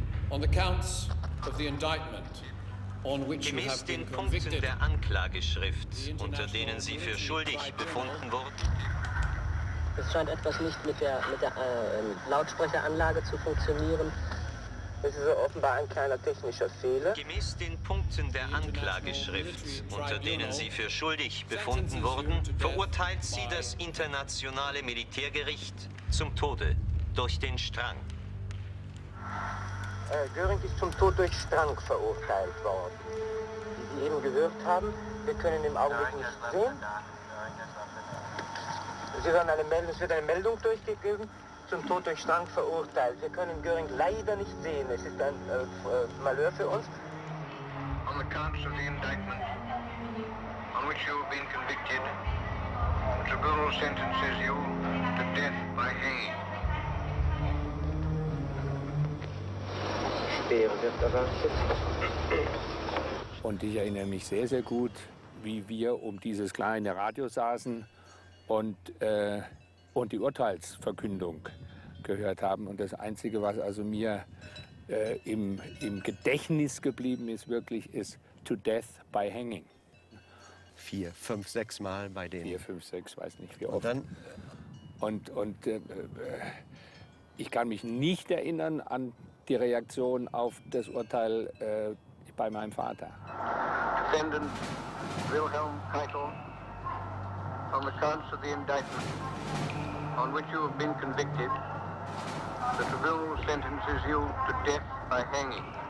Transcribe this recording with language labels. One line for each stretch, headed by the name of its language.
English: On the counts of the indictment on which you have been convicted.
German: Gemäß den Punkten der Anklageschrift, unter denen Sie für schuldig befunden wurden. Es scheint etwas nicht mit der Lautsprecheranlage zu funktionieren. Es ist offenbar ein kleiner technischer Fehler. Gemäß den Punkten der Anklageschrift, unter denen Sie für schuldig befunden wurden, verurteilt Sie das internationale Militärgericht zum Tode durch den Strang. Göring ist zum Tod durch Strang verurteilt worden. Wie Sie eben gehört haben, wir können im Augenblick nicht sehen. Sie hören eine Meldung, es wird eine Meldung durchgegeben, zum Tod durch Strang verurteilt. Wir können Göring leider nicht sehen. Es ist ein Malheur für uns.
English: On the counts of the indictment, on which you have been convicted, Tribunal sentences you to death by hanging.
German: Speer wird erwartet. Und ich erinnere mich sehr, sehr gut, wie wir um dieses kleine Radio saßen und die Urteilsverkündung gehört haben. Und das Einzige, was also mir im Gedächtnis geblieben ist, wirklich, ist
English: to death by hanging.
German: Vier, fünf, sechs Mal bei denen. Vier, fünf, sechs, weiß nicht wie oft. Und dann? Ich kann mich nicht erinnern an die Reaktion auf das Urteil bei meinem Vater.
English: Defendant Wilhelm Keitel, on the counts of the indictment, on which you have been convicted, the Tribunal sentences you to death by hanging.